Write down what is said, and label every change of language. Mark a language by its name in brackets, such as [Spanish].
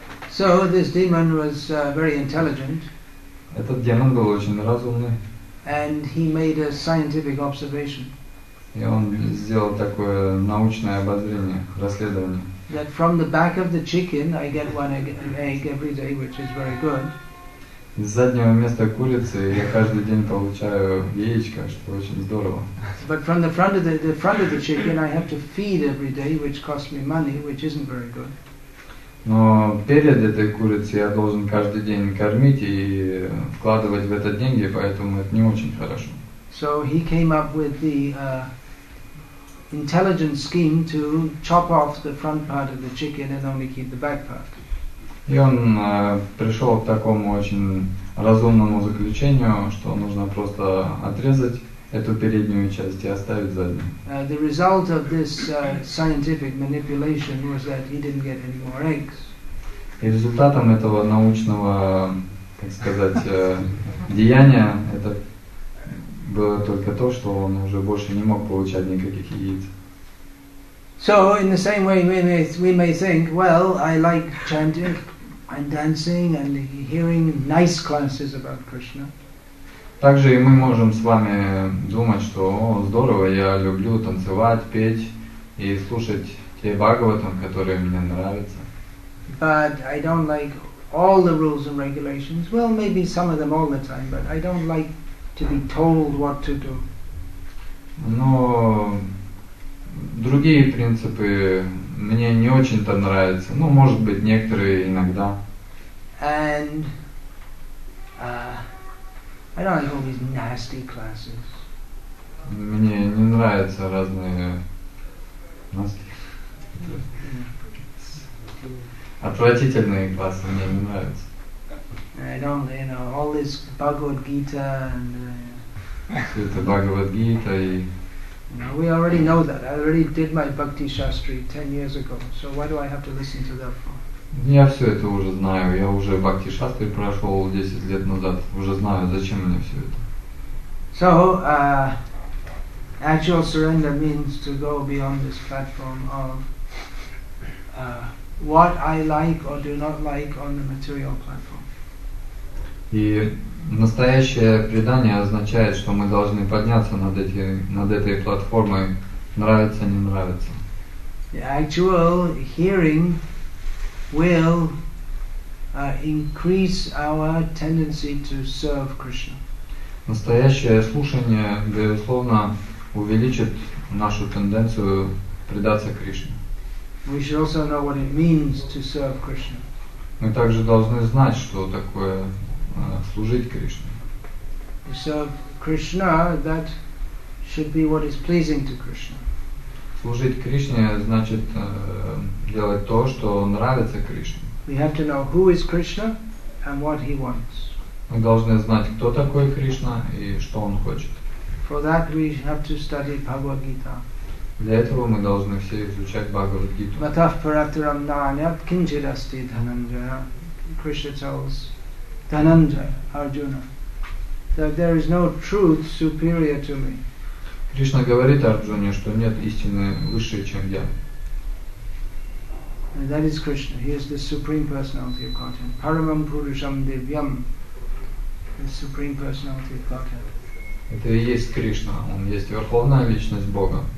[English] So this demon was very intelligent. [Russian] Этот демон был очень разумный. [English] And he made a scientific observation. [Russian] И он сделал такое научное обозрение, расследование. [English] That from the back of the chicken I get one egg every day, which is very good. [Russian] Из заднего места курицы я каждый день получаю яичко, что очень здорово. [English] But from the front of the chicken I have to feed every day, which costs me money, which isn't very good. [Russian] Но перед этой курицей я должен каждый день кормить и вкладывать в это деньги, поэтому это не очень хорошо. [English] So he came up with the intelligent scheme to chop off the front part of the chicken and only keep the back part. [Russian] И он пришел к такому очень разумному заключению, что нужно просто отрезать эту переднюю часть и оставить заднюю. [English] The result of this scientific manipulation was that he didn't get any more eggs. [Russian] И результатом этого научного, так сказать, деяния это было только то, что он уже больше не мог получать никаких яиц. [English] So in the same way we may think, well, I like chanting and dancing and hearing nice classes about Krishna. [Russian] Также и мы можем с вами думать, что здорово, я люблю танцевать, петь и слушать те Бхагаватам, которые мне нравятся. [English] But I don't like all the rules and regulations. Well, maybe some of them all the time, but I don't like to be told what to do. [Russian] Но другие принципы мне не очень-то нравятся. Ну, может быть, некоторые иногда. [English] And I don't like all these nasty classes. [Russian] Мне не нравятся разные [English] nasty. [Russian] Отвратительные классы мне не нравятся. [English] I don't, you know, all this Bhagavad Gita and [Russian] это Бхагавад Гита и. [English] No, we already know that. I already did my Bhakti Shastri 10 years ago. So why do I have to listen to that for? [Russian] Я все это уже знаю. Я уже Бхакти Шастри прошел 10 лет назад. Уже знаю, зачем мне все это. [English] So actual surrender means to go beyond this platform of what I like or do not like on the material platform. [Russian] И настоящее предание означает, что мы должны подняться над этой платформой, нравится, не нравится. [English] The actual hearing will increase our tendency to serve Krishna. [Russian] Настоящее слушание, безусловно, увеличит нашу тенденцию предаться Кришне. [English] We should also know what it means to serve Krishna. [Russian] Мы также должны знать, что такое служить Кришне. [English] To serve Krishna, that should be what is pleasing to Krishna. [Russian] Служить Кришне значит делать то, что нравится Кришне. [English] We have to know who is Krishna and what he wants. [Russian] Мы должны знать, кто такой Кришна и что он хочет. [English] For that we have to study Bhagavad Gita. [Russian] Для этого мы должны все изучать Бхагавад Гиту. [Sanskrit] Матав паратарам наанят кинчид асти дхананджая. [English] Krishna tells Dhananjaya, Arjuna, that there is no truth superior to me. [Russian] Кришна говорит Арджуне, что нет истины высшей, чем я. [English] And that is Krishna. He is the Supreme Personality of Godhead. [Sanskrit] Paramam Purusham Devyam. [English] The Supreme Personality of Godhead. [Russian] Это и есть Кришна. Он есть Верховная Личность Бога.